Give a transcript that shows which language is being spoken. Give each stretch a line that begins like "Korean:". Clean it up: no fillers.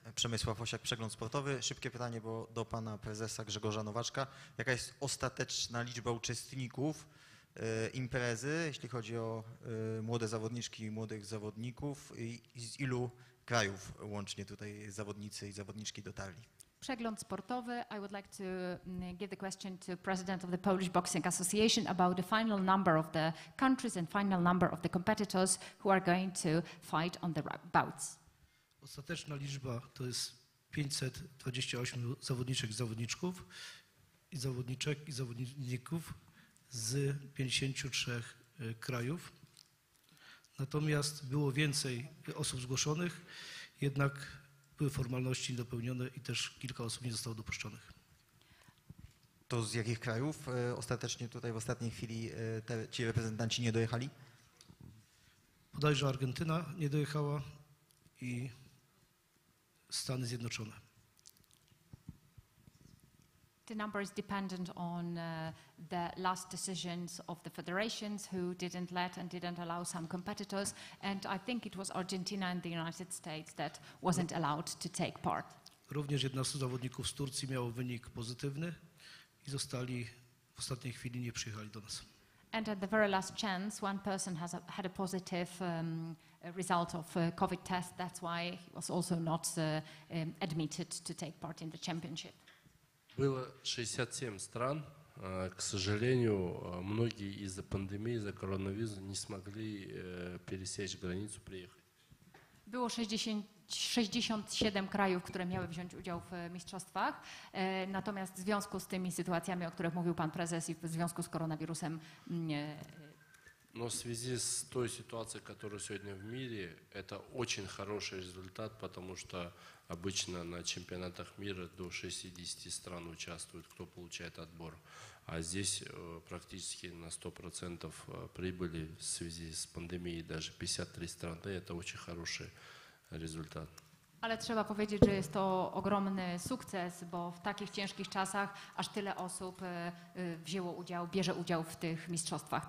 Polish: Przemysław Osiak, Przegląd Sportowy. Szybkie pytanie do pana prezesa Grzegorza Nowaczka. Jaka jest ostateczna liczba uczestników imprezy, jeśli chodzi o młode zawodniczki i młodych zawodników i z ilu krajów łącznie tutaj zawodnicy i zawodniczki dotarli? Przegląd Sportowy.
English: I would like to give the question to President of the Polish Boxing Association about the final number of the countries and final number of the competitors who are going to fight on the bouts.
Polish: Ostateczna liczba to jest 528 zawodniczek, zawodniczków i zawodniczek i zawodników z 53 krajów. Natomiast było więcej osób zgłoszonych, jednak były formalności niedopełnione i też kilka osób nie zostało dopuszczonych. To z jakich krajów ostatecznie tutaj w ostatniej chwili ci reprezentanci nie dojechali? Bodajże Argentyna nie dojechała i Stany Zjednoczone.
English: The number is dependent on the last decisions of the federations who didn't let and didn't allow some competitors, and I think it was Argentina and the United States that wasn't allowed to take part.
Polish: Również jedna z zawodników z Turcji miała wynik pozytywny i zostali w ostatniej chwili, nie przyjechali do nas.
English: And at the very last chance, one person has had a positive result of COVID test. That's why he was also not admitted to take part in the championship.
Russian: Было 67 стран. К сожалению, многие из-за пандемии, из-за коронавируса не смогли пересечь границу, приехать. Было
Polish: 67 krajów, które miały wziąć udział w mistrzostwach. Natomiast w związku z tymi sytuacjami, o których mówił pan prezes i w związku z koronawirusem.
Russian: Но в связи с той ситуацией, которая сегодня в мире, это очень хороший результат, потому что обычно на чемпионатах мира до 60 стран участвуют, кто получает отбор. А здесь практически на 100% прибыли в связи с пандемией даже 53 страны. Это очень хороший результат.
Polish: Ale trzeba powiedzieć, że jest to ogromny sukces, bo w takich ciężkich czasach aż tyle osób wzięło udział, bierze udział w tych mistrzostwach.